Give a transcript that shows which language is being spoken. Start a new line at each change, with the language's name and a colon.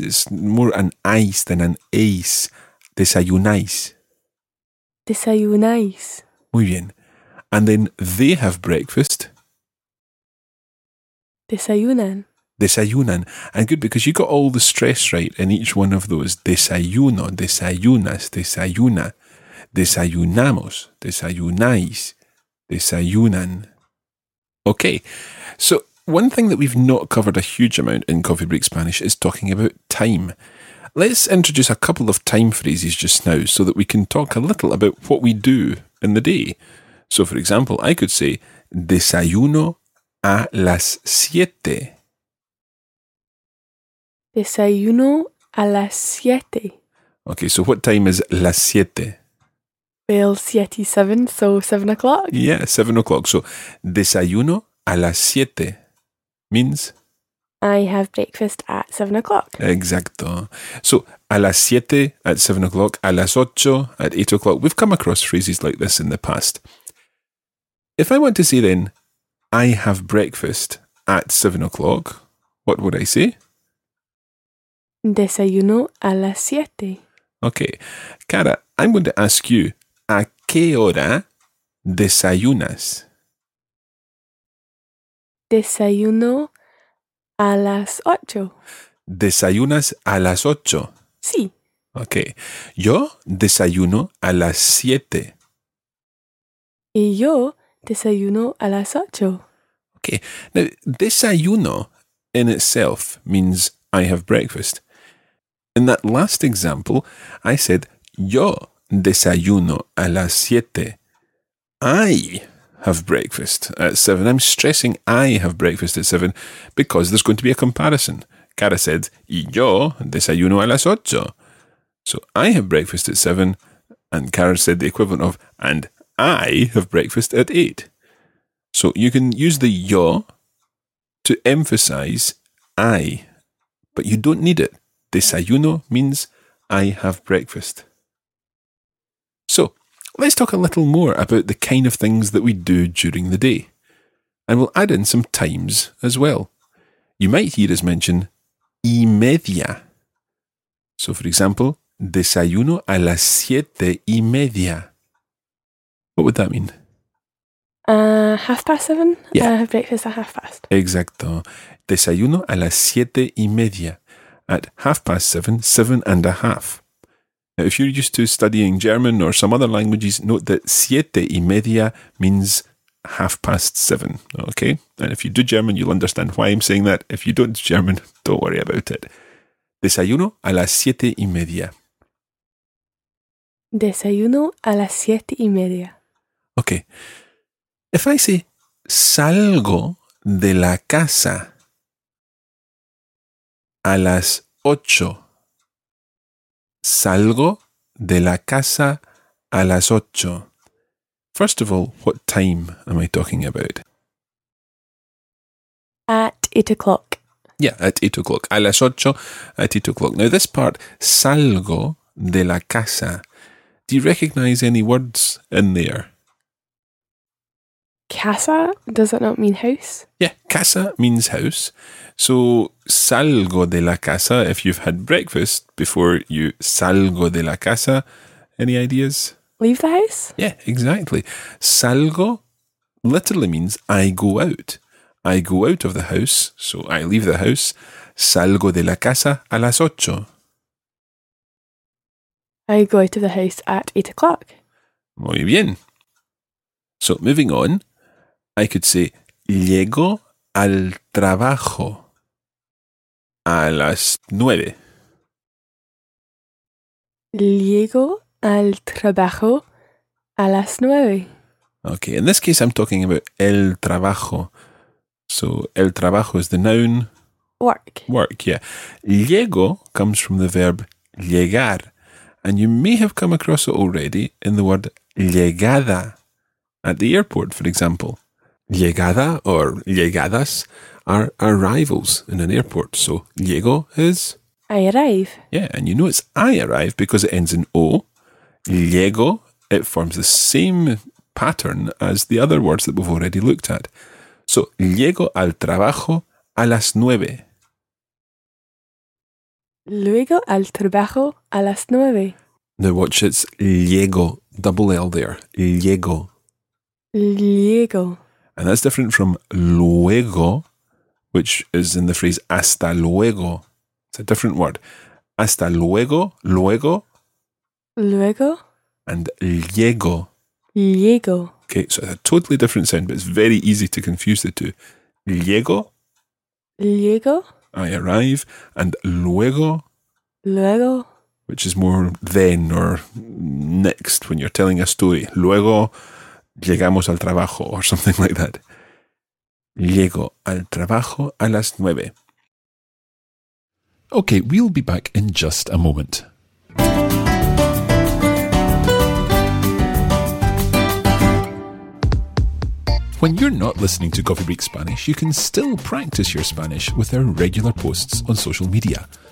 English: It's more an ice than an ace.
Spanish: Desayunáis. Desayunáis. Muy bien.
English: And then they have breakfast.
Spanish: Desayunan. Desayunan.
English: And good, because you got all the stress right in each one of those.
Spanish: Desayuno, desayunas, desayuna, desayunamos, desayunáis, desayunan.
English: Okay, so one thing that we've not covered a huge amount in Coffee Break Spanish is talking about time. Let's introduce a couple of time phrases just now so that we can talk a little about what we do in the day. So, for example, I could say,
Spanish: desayuno a las siete. Desayuno a las siete.
English: Okay, so what time is las siete? Well, siete, seven, so 7 o'clock. Yeah, 7 o'clock. So,
Spanish: desayuno a las siete
English: means? I have breakfast at 7 o'clock. Exacto. So,
Spanish: a las siete
English: at 7 o'clock,
Spanish: a las ocho
English: at 8 o'clock. We've come across phrases like this in the past. If I want to say then, I have breakfast at 7 o'clock, what would I say?
Spanish: Desayuno a las siete.
English: Okay. Cara, I'm going to ask you,
Spanish: ¿a qué hora desayunas? Desayuno a las ocho. ¿Desayunas a las ocho? Sí. Okay. Yo desayuno a las siete. Y yo desayuno a las ocho.
English: Okay. Now, desayuno in itself means I have breakfast. In that last example, I said,
Spanish: yo desayuno a las siete.
English: I have breakfast at seven. I'm stressing I have breakfast at seven because there's going to be a comparison. Cara said,
Spanish: y yo desayuno a las ocho.
English: So I have breakfast at seven, and Cara said the equivalent of, and I have breakfast at eight. So you can use the yo to emphasize I, but you don't need it. Desayuno means I have breakfast. So, let's talk a little more about the kind of things that we do during the day. And we'll add in some times as well. You might hear us mention y media. So, for example,
Spanish: desayuno a las siete y media.
English: What would that mean? Half past seven? Yeah. Breakfast at half past.
Spanish: Exacto. Desayuno a las siete y media.
English: At half past seven, seven and a half. Now, if you're used to studying German or some other languages, note that
Spanish: siete y media
English: means half past seven, okay? And if you do German, you'll understand why I'm saying that. If you don't do German, don't worry about it.
Spanish: Desayuno a las siete y media. Desayuno a las siete y media.
English: Okay. If I say
Spanish: salgo de la casa a las ocho. Salgo de la casa a las ocho.
English: First of all, what time am I talking about? At 8 o'clock. Yeah, at 8 o'clock.
Spanish: A las ocho,
English: at 8 o'clock. Now this part,
Spanish: salgo de la casa.
English: Do you recognize any words in there? Casa, does that not mean house? Yeah, casa means house. So,
Spanish: salgo de la casa,
English: if you've had breakfast before you salgo de la casa, any ideas? Leave the house? Yeah, exactly. Salgo literally means I go out. I go out of the house, so I leave the house.
Spanish: Salgo de la casa a las ocho.
English: I go out of the house at 8 o'clock.
Spanish: Muy bien.
English: So, moving on, I could say,
Spanish: llego al trabajo a las nueve. Llego al trabajo a las nueve.
English: Okay, in this case I'm talking about el trabajo. So, el trabajo is the noun. Work. Work, yeah. Llego comes from the verb llegar. And you may have come across it already in the word llegada at the airport, for example. Llegada or llegadas are arrivals in an airport. So, llego is? I arrive. Yeah, and you know it's I arrive because it ends in O. Llego, it forms the same pattern as the other words that we've already looked at. So,
Spanish: llego al trabajo a las nueve. Luego al trabajo a las nueve.
English: Now watch, it's llego, double L there. Llego.
Spanish: Luego.
English: And that's different from luego, which is in the phrase hasta luego. It's a different word.
Spanish: Hasta luego, luego. Luego.
English: And llego.
Spanish: Llego.
English: Okay, so it's a totally different sound, but it's very easy to confuse the two.
Spanish: Llego. Llego.
English: I arrive. And luego.
Spanish: Luego.
English: Which is more then or next when you're telling a story.
Spanish: Luego llegamos al trabajo or something like that. Llego al trabajo a las nueve.
English: Okay, we'll be back in just a moment. When you're not listening to Coffee Break Spanish, you can still practice your Spanish with our regular posts on social media.